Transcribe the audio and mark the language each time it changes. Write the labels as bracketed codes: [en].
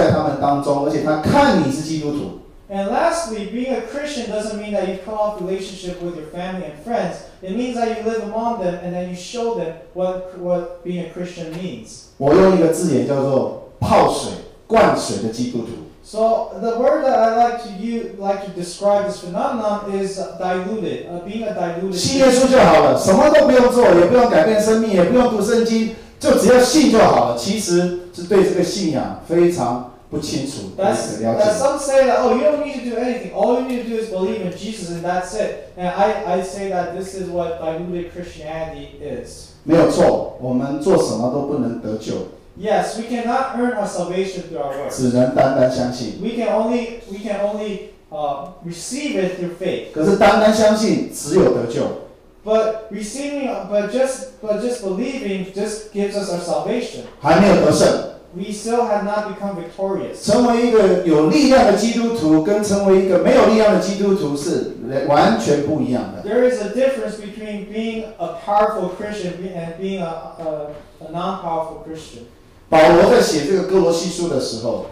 [zh] 最后一个就是信耶稣，并不是就把你跟家人、全部朋友都切断关系，你就自己过自己的生活，乃是你活在他们当中，而且他看你是基督徒。 [en] And lastly, being a Christian doesn't mean that you cut off relationship with your family and friends. It means that you live among them and then you show them what being a Christian means. [zh] 我用一个字眼叫做泡水、灌水的基督徒。 [en] So the word that I like to describe this phenomenon is diluted, being a diluted. [zh] 信耶稣就好了，什么都不用做，也不用改变生命，也不用读圣经，就只要信就好了。其实是对这个信仰非常。 [en] That some say that, oh, you don't need to do anything. All you need to do is believe in Jesus and that's it. And I say that this is what diluted Christianity is. [zh] 没有错，我们做什么都不能得救。 [en] Yes, we cannot earn our salvation through our works. [zh] 只能单单相信。 [en] We can only receive it through faith. [zh] 可是单单相信只有得救。 [en] But receiving, but just believing just gives us our salvation. [zh] 还没有得胜。 [en] We still have not become victorious. [zh] 成为一个有力量的基督徒跟成为一个没有力量的基督徒是完全不一样的。 [en] There is a difference between being a powerful Christian and being a non-powerful Christian. [zh] 保罗在写这个哥罗西书的时候,